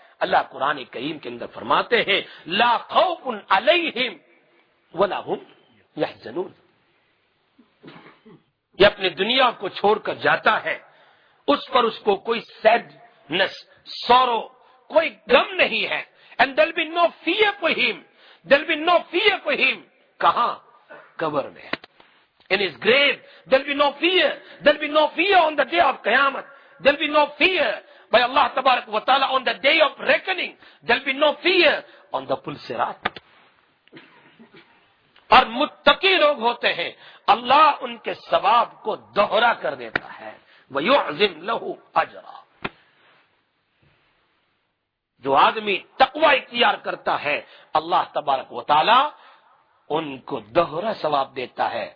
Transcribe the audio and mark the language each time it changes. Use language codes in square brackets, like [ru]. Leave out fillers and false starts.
[ur] اللہ قرآن کریم کے اندر فرماتے ہیں [ar] لا خوف علیہم ولا هم يحزنون. [ur] یہ اپنی دنیا کو چھوڑ کر جاتا ہے اس پر اس کو کوئی [en] sadness sorrow [ur] کوئی غم نہیں ہے. [en] And there'll be no fear for him. There'll be no fear for him. [ur] کہاں؟ قبر میں. [en] In his grave, there'll be no fear. There'll be no fear on the day of قیامت. There'll be no fear by Allah تبارک و تعالی on the day of reckoning. There'll be no fear on the pul sirat. [ur] اور متقی لوگ ہوتے ہیں اللہ ان کے ثواب کو دوہرا کر دیتا ہے. [ar] وَيُعْزِمْ لَهُ أَجْرًا [ur] جو آدمی تقوی اختیار کرتا ہے اللہ تبارک و تعالی ان کو دوہرا ثواب دیتا ہے.